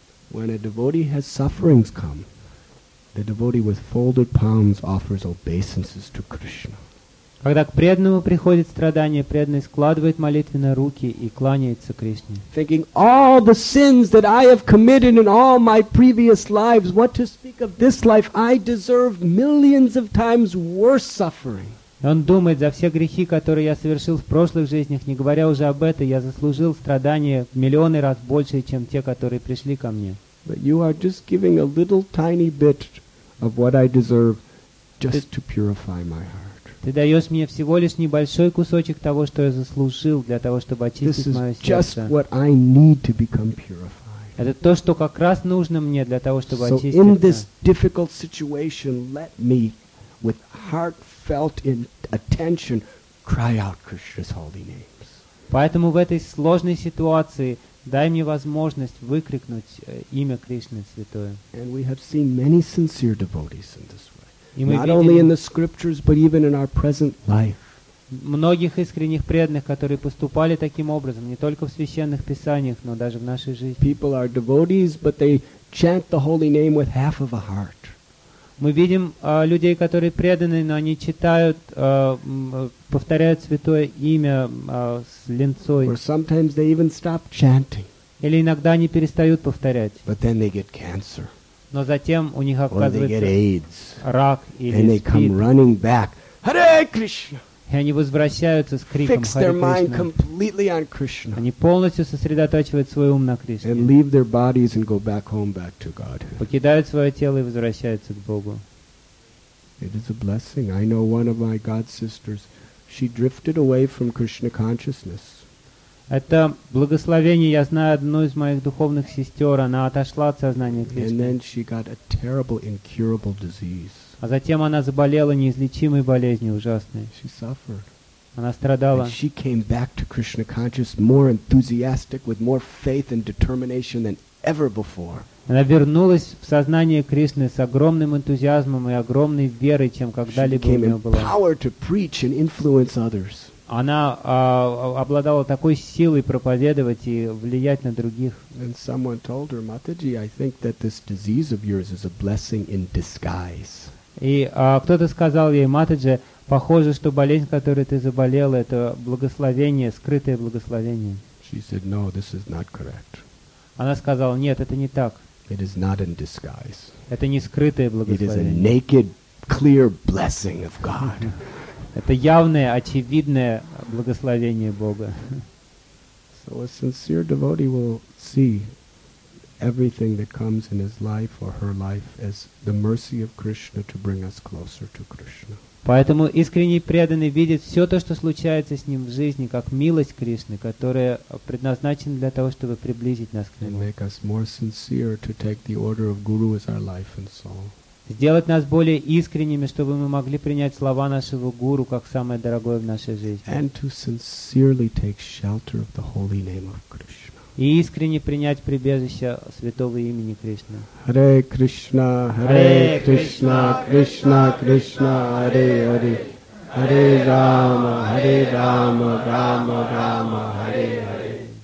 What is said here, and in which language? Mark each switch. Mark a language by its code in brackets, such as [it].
[en] When a devotee has sufferings come, the devotee with folded palms offers obeisances to Krishna. [ru] Когда к преданному приходит страдание, преданный складывает молитвенные руки и кланяется Кришне. [en] Thinking all the sins that I have committed in all my previous lives, what to speak of this life, I deserve millions of times worse suffering. [ru] Он думает: за все грехи, которые я совершил в прошлых жизнях, не говоря уже об этом, я заслужил страдания в миллионы раз больше, чем те, которые пришли ко мне. [en] But you are just giving a little tiny bit of what I deserve just to purify my heart. [ru] Ты даешь мне всего лишь небольшой кусочек того, что я заслужил, для того, чтобы очистить мое сердце. [en] This is just what I need to become purified. [ru] Это то, что как раз нужно мне для того, чтобы очиститься. [en] So in this difficult situation, let me, with heartfelt attention, cry out Krishna's holy names. [ru] Поэтому в этой сложной ситуации дай мне возможность выкрикнуть имя Кришны Святое. [en] And we have seen many sincere devotees in this way. Not only in the scriptures, but even in our present life. [ru] Многих искренних преданных, которые поступали таким образом, не только в священных писаниях, но даже в нашей жизни. [en] People are devotees, but they chant the holy name with half of a heart. [ru] Мы видим людей, которые преданы, но они читают, повторяют святое имя с линцой. [en] Or sometimes they even stop chanting. [ru] Или иногда они перестают повторять. [en] But then they get cancer. [ru] Но затем у них оказывается [en] Or they get AIDS. [ru] Рак или СПИД. [en] And they come running back. Hare Krishna! [ru] И они возвращаются с криком [en] Fix their Hare Krishna. Mind completely on Krishna. [ru] Они полностью сосредотачивают свой ум на Кришне. [en] And leave their bodies and go back home, back to God. [ru] Покидают свое тело и возвращаются к Богу. [en] It is a blessing. I know one of my God sisters. She drifted away from Krishna consciousness. [ru] Это благословение. Я знаю одну из моих духовных сестер. Она отошла от сознания Кришны. [en] And then she got a terrible, incurable disease. [ru] А затем она заболела неизлечимой болезнью ужасной. [en] She suffered. [ru] Она страдала. [en] And she came back to Krishna conscious more enthusiastic, with more faith and determination than ever before. [ru] Она вернулась в сознание Кришны с огромным энтузиазмом и огромной верой, чем когда-либо у нее была. [en] Empowered to preach and influence others. [ru] Она обладала такой силой проповедовать и влиять на других. [en] And someone told her, Mataji, I think that this disease of yours is a blessing in disguise. [ru] И кто-то сказал ей, Матаджи, похоже, что болезнь, которой ты заболела, это благословение, скрытое благословение. [en] She said, no, this is not correct. [ru] Она сказала, нет, это не так. [en] It is not in disguise. [ru] Это не скрытое благословение. [en] It is a naked, clear blessing of God. [ru] Это явное, очевидное благословение Бога. [en] So a sincere devotee will see everything that comes in his life or her life as the mercy of Krishna to bring us closer to Krishna. [ru] Поэтому искренний преданный видит все то, что случается с ним в жизни, как милость Кришны, которая предназначена для того, чтобы приблизить нас к Нему. [en] And make us more sincere to take the order of Guru as our life and soul. [ru] Сделать нас более искренними, чтобы мы могли принять слова нашего Гуру как самое дорогое в нашей жизни. [en] And to sincerely take shelter of the holy name of Krishna. [ru] И искренне принять прибежище святого имени Кришны. [sa] Харе Кришна, Харе Кришна, Кришна Кришна, Харе Хари. Харе Рама, Харе Рама, Рама Рама, Харе Хари.